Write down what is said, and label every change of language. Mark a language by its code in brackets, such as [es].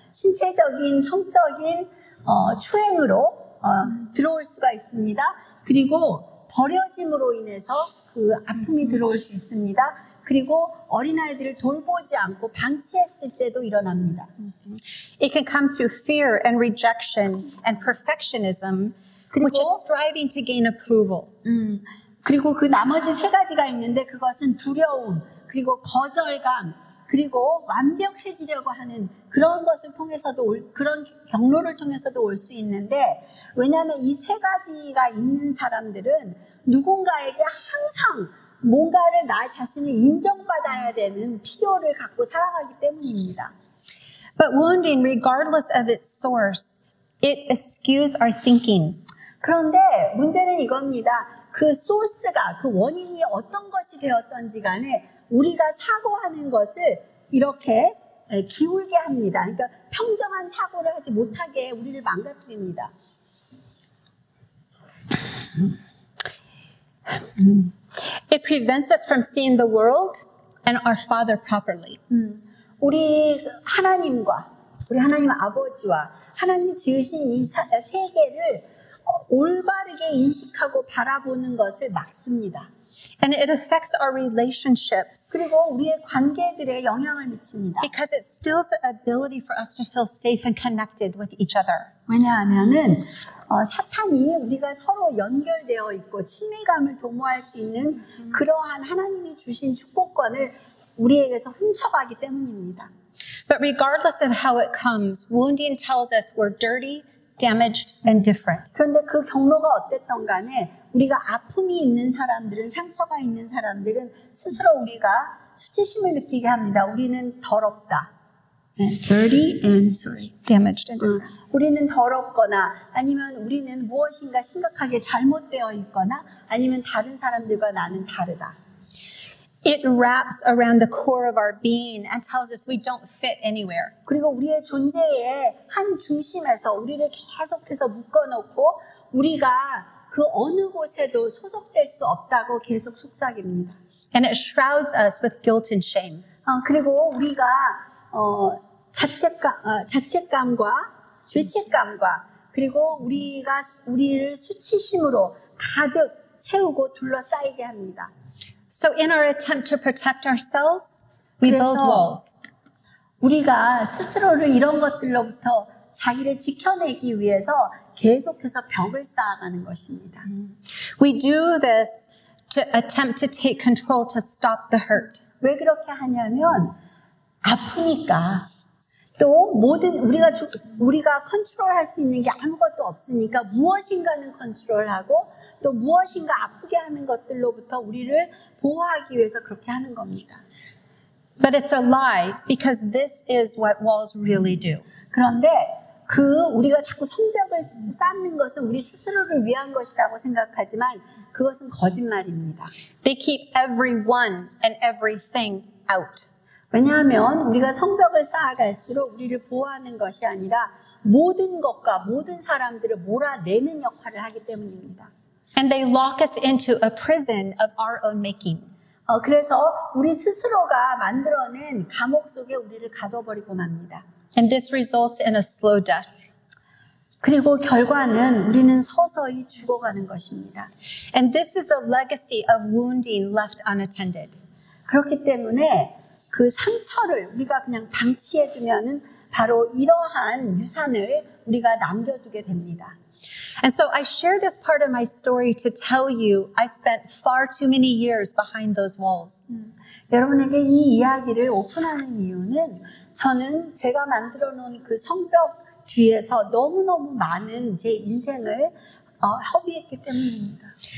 [ko] 신체적인 성적인 추행으로 들어올 수가 있습니다. 그리고 버려짐으로 인해서 그 아픔이 들어올 수 있습니다. 그리고 어린아이들을 돌보지 않고 방치했을 때도 일어납니다. [en] It can come through fear and rejection and perfectionism, which is striving to gain approval. [ko] 그리고 그 나머지 세 가지가 있는데 그것은 두려움, 그리고 거절감, 그리고 완벽해지려고 하는 그런 것을 통해서도 올, 그런 경로를 통해서도 올 수 있는데, 왜냐하면 이 세 가지가 있는 사람들은 누군가에게 항상 뭔가를 나 자신을 인정받아야 되는 필요를 갖고 살아가기 때문입니다. [en] But wounding, regardless of its source, it eschews our thinking. [ko] 그런데 문제는 이겁니다. 그 소스가, 그 원인이 어떤 것이 되었던지 간에 우리가 사고하는 것을 이렇게 기울게 합니다. 그러니까 평정한 사고를 하지 못하게 우리를 망가뜨립니다. [en] It prevents us from seeing the world and our Father properly. [ko] 우리 하나님과 우리 하나님 아버지와 하나님이 지으신 이 세계를 올바르게 인식하고 바라보는 것을 막습니다. [en] And it affects our relationships. [ko] 그리고 우리의 관계들에 영향을 미칩니다. [en] Because it steals the ability for us to feel safe and connected with each other. [ko] 왜냐하면은 사탄이 우리가 서로 연결되어 있고 친밀감을 도모할 수 있는 그러한 하나님이 주신 축복권을 우리에게서 훔쳐가기 때문입니다. [en] But regardless of how it comes, wounding tells us we're dirty, damaged, and different. [ko] 그런데 그 경로가 어땠던 간에 우리가 아픔이 있는 사람들은, 상처가 있는 사람들은 스스로 우리가 수치심을 느끼게 합니다. 우리는 더럽다. [en] Dirty and sorry. Damaged and different. [ko] 우리는 더럽거나 아니면 우리는 무엇인가 심각하게 잘못되어 있거나 아니면 다른 사람들과 나는 다르다. [en] It wraps around the core of our being and tells us we don't fit anywhere. [ko] 그리고 우리의 존재의 한 중심에서 우리를 계속해서 묶어놓고 우리가 그 어느 곳에도 소속될 수 없다고 계속 속삭입니다. [en] And it shrouds us with guilt and shame. [ko] 그리고 우리가 자책감과 죄책감과 그리고 우리가 우리를 수치심으로 가득 채우고 둘러싸이게 합니다. [en] So in our attempt to protect ourselves, we build walls. [ko] 우리가 스스로를 이런 것들로부터 자기를 지켜내기 위해서 계속해서 벽을 쌓아가는 것입니다. [en] We do this to attempt to take control to stop the hurt. [ko] 왜 그렇게 하냐면 아프니까 또 모든 우리가 컨트롤할 수 있는 게 아무것도 없으니까 무엇인가는 컨트롤하고 또 무엇인가 아프게 하는 것들로부터 우리를 보호하기 위해서 그렇게 하는 겁니다. [en] But it's a lie because this is what walls really do. [ko] 그런데 그 우리가 자꾸 성벽을 쌓는 것은 우리 스스로를 위한 것이라고 생각하지만 그것은 거짓말입니다. [en] They keep everyone and everything out. [ko] 왜냐하면 우리가 성벽을 쌓아갈수록 우리를 보호하는 것이 아니라 모든 것과 모든 사람들을 몰아내는 역할을 하기 때문입니다. [en] And they lock us into a prison of our own making. [ko] 그래서 우리 스스로가 만들어낸 감옥 속에 우리를 가둬버리고 맙니다. [en] And this results in a slow death. [ko] 그리고 결과는 우리는 서서히 죽어가는 것입니다. [en] And this is the legacy of wounding left unattended. [ko] 그렇기 때문에 그 상처를 우리가 그냥 방치해두면은 바로 이러한 유산을 우리가 남겨두게 됩니다. [en] And so I share this part of my story to tell you I spent far too many years behind those walls. [ko] 여러분에게 이 이야기를 오픈하는 이유는 저는 제가 만들어 놓은 그 성벽 뒤에서 너무너무 많은 제 인생을 허비했기 때문입니다.